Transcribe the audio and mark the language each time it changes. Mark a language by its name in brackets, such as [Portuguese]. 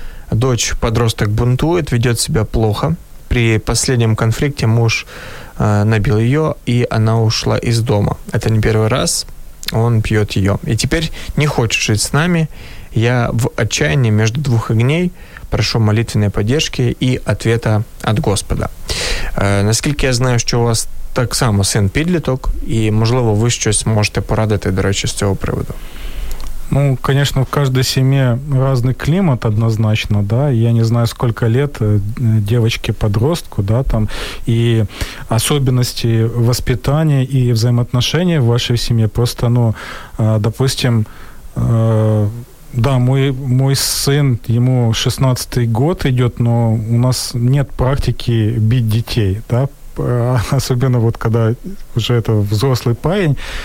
[Russian] Дочь подросток бунтует, ведет себя плохо. При последнем конфликте муж набил ее, и она ушла из дома. Это не первый раз, он пьет ее. И теперь не хочет жить с нами. Я в отчаянии между двух огней. Прошу молитвенной поддержки и ответа от Господа». [Ukrainian] Наскільки я знаю, що у вас так само син підліток, і, можливо, ви щось можете порадити, до речі, з цього приводу. [Russian] Ну, конечно, в каждой семье разный климат однозначно, да, я не знаю, сколько лет девочке-подростку, да, там, и особенности воспитания и взаимоотношения в вашей семье, просто, ну, допустим, да, мой сын, ему 16-й год идет, но у нас нет практики бить детей, да, особенно вот когда уже это взрослый парень.